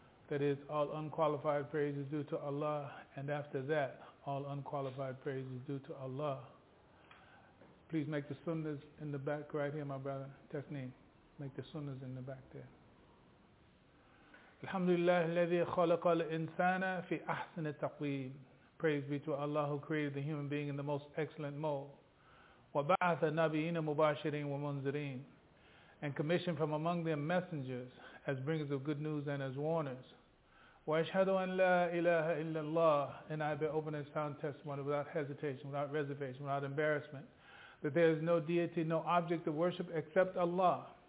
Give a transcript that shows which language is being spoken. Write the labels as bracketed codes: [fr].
[en] That is, all unqualified praise is due to Allah, and after that, all unqualified praise is due to Allah. Please make the sunnahs in the back right here, my brother. Tasneem, make the sunnahs in the back there. [ar] الحمد لله الذي خلق الإنسان في أحسن تقويم. [en] Praise be to Allah who created the human being in the most excellent mode. [ar] وَبَعَثَ نَبِيِّينَ مُبَاشِرِينَ وَمُنْزِرِينَ [en] and commissioned from among them messengers as bringers of good news and as warners. [ar] وَأَشْهَدُ أَنْ لَا إِلَهَ إِلَّا اللَّهُ [en] and I bear open and sound testimony without hesitation, without reservation, without embarrassment that there is no deity, no object of worship except Allah.